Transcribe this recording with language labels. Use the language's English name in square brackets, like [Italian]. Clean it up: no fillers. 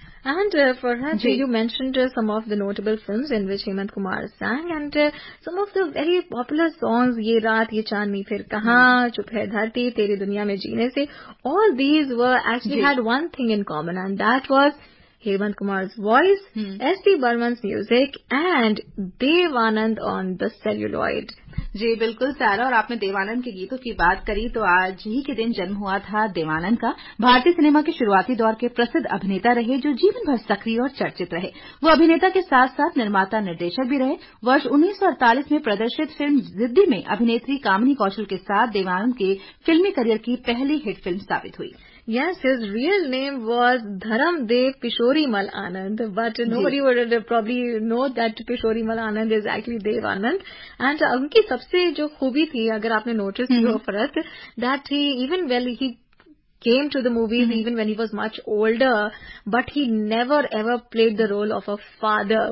[English] And for her, Jay, you mentioned some of the notable films in which Hemant Kumar sang, and some of the very popular songs, Ye Raat, Ye Chandni, Phir Kahan, Chup Hai Dharti, Teri Duniya Mein Jeene Se, all these were actually had one thing in common, and that was Hemant Kumar's voice, S.P. Barman's music, and Dev Anand on the celluloid. [Hindi] जी बिल्कुल सारा, और आपने देवानंद के गीतों की बात करी तो आज ही के दिन जन्म हुआ था देवानंद का. भारतीय सिनेमा के शुरुआती दौर के प्रसिद्ध अभिनेता रहे जो जीवन भर सक्रिय और चर्चित रहे. वो अभिनेता के साथ साथ निर्माता निर्देशक भी रहे. वर्ष 1948 में प्रदर्शित फिल्म जिद्दी में अभिनेत्री कामिनी कौशल के साथ देवानंद के फिल्मी करियर की पहली हिट फिल्म साबित हुई. [English] Yes, his real name was Dharamdev Kishorimal Anand, but nobody would probably know that Kishorimal Anand is actually Dev Anand. And [Hindi] unki sabse jo khubi thi, agar aapne notice kiya [English] Farat, that he even well he came to the movies even when he was much older, but he never ever played the role of a father.